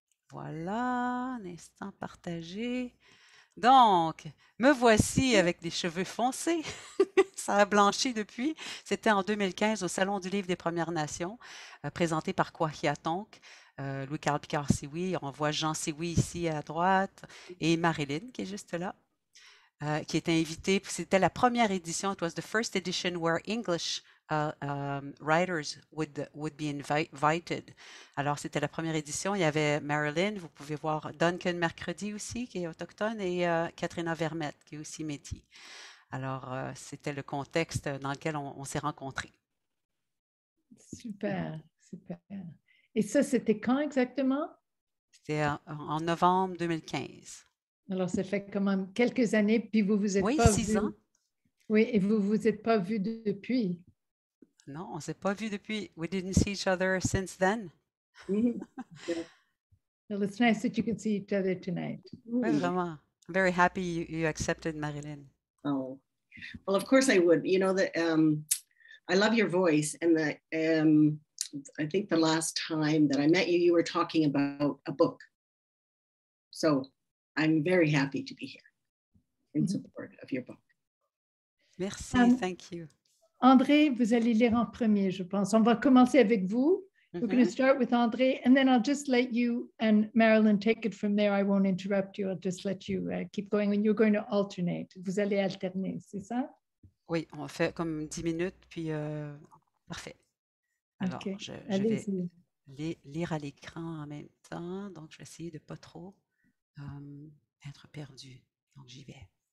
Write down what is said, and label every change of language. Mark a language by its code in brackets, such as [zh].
[fr] Voilà, un instant partagé. Donc, me voici avec des cheveux foncés. Ça a blanchi depuis. C'était en 2015 au Salon du Livre des Premières Nations, présenté par Kwahiatonk, Louis-Carl Picard Sioui. On voit Jean Sioui ici à droite et Marilyn qui est juste là, qui est invitée. C'était la première édition. [en] It was the first edition where English writers would be invited. [fr] Alors, c'était la première édition. Il y avait Marilyn, vous pouvez voir Duncan Mercredi aussi, qui est autochtone, et Katrina Vermette, qui est aussi Métis. Alors, c'était le contexte dans lequel on s'est rencontrés. Super, super. Et ça, c'était quand exactement? C'était en novembre 2015. Alors, ça fait quand même quelques années, puis vous vous êtes oui, pas vus. Oui, six ans. Oui, et vous vous êtes pas vus depuis. Non, on ne s'est pas vu depuis. [en] We didn't see each other since then. Well, it's nice that you can see each other tonight. [fr] Oui, vraiment. [en] I'm very happy you accepted, Marilyn. Oh, well, of course I would. You know, I love your voice. And I think the last time that I met you, you were talking about a book. So I'm very happy to be here in support of your book. [fr] Merci. [en] Thank you. [fr] Andrée, vous allez lire en premier, je pense. On va commencer avec vous. Mm-hmm. [en] We're going to start with Andrée, and then I'll just let you and Marilyn take it from there. I won't interrupt you. I'll just let you keep going. And you're going to alternate. [fr] Vous allez alterner, c'est ça? Oui, on va faire comme 10 minutes, puis parfait. Alors, okay. je vais lire à l'écran en même temps. Donc, je vais essayer de ne pas trop être perdue. Donc, j'y vais.